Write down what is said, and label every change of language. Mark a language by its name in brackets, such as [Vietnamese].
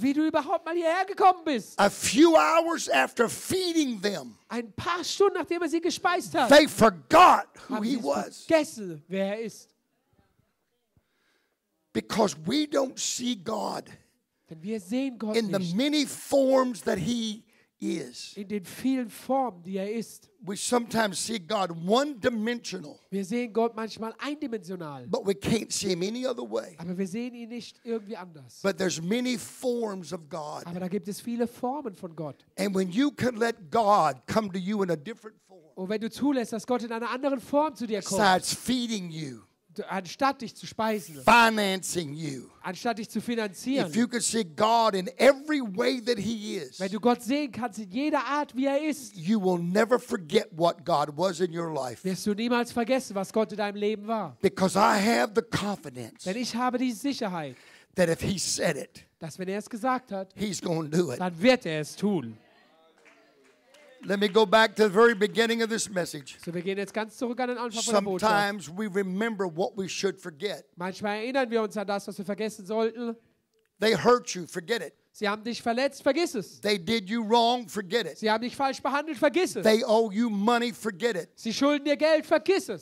[German] Wie du überhaupt mal hierher gekommen bist. [English] A few hours after feeding them. [German] Ein paar Stunden nachdem er sie gespeist hat. [English] They forgot who he was. [German] Vergessen, wer er ist. [English] Because we don't see God. [German] Denn wir sehen Gott [English] in the many forms that he is. [German] In den vielen Formen, die er ist. [English] We sometimes see God one-dimensional. [German] Wir sehen Gott manchmal eindimensional. [English] But we can't see him any other way. [German] Aber wir sehen ihn nicht irgendwie anders. [English] But there's many forms of God. [German] Aber da gibt es viele Formen von Gott. [English] And when you can let God come to you in a different form. [German] Und wenn du zulässt, dass Gott in einer anderen Form zu dir kommt. [English] Besides feeding you. [German] Anstatt dich zu speisen. [English] Financing you. [German] Anstatt dich zu finanzieren. [English] If you could see God in every way that he is. [German] Wenn du Gott sehen kannst in jeder Art, wie er ist. [English] You will never forget what God was in your life. [German] Wirst du niemals vergessen, was Gott in deinem Leben war. [English] Because I have the confidence. [German] Denn ich habe die Sicherheit. [English] That if he said it. [German] Dass wenn er es gesagt hat. [English] He's going to do it. [German] Dann wird er es tun. [English] Let me go back to the very beginning of this message. [German] So wir gehen jetzt ganz zurück an den Anfang von der [English] Botschaft. Sometimes we remember what we should forget. [German] Manchmal erinnern wir uns an das, was wir vergessen sollten. [English] They hurt you, forget it. [German] Sie haben dich verletzt, vergiss es. [English] They did you wrong, forget it. [German] Sie haben dich falsch behandelt, vergiss es. [English] They owe you money, forget it. [German] Sie schulden dir Geld, vergiss es.